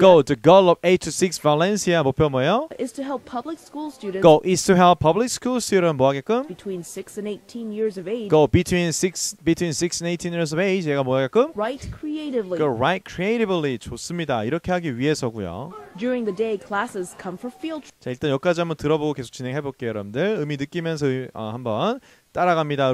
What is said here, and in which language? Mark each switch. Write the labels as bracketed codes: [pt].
[en] Go. The goal of 826 Valencia. [ko] 목표 뭐예요? [en] Is to help public school students. Go. Is to help public school students. [ko] 뭐 하게끔? [en] Between 6 and 18 years of age. Go. Between 6 and 18 years of age. [ko] 얘가 뭐 하게끔? [en] Write creatively. Go. Write creatively. [ko] 좋습니다. 이렇게 하기 위해서고요. [en] During the day, classes come for field trip. [ko] 자, 일단 여기까지 한번 들어보고 계속 진행해볼게요, 여러분들. 의미 느끼면서 한번 따라갑니다.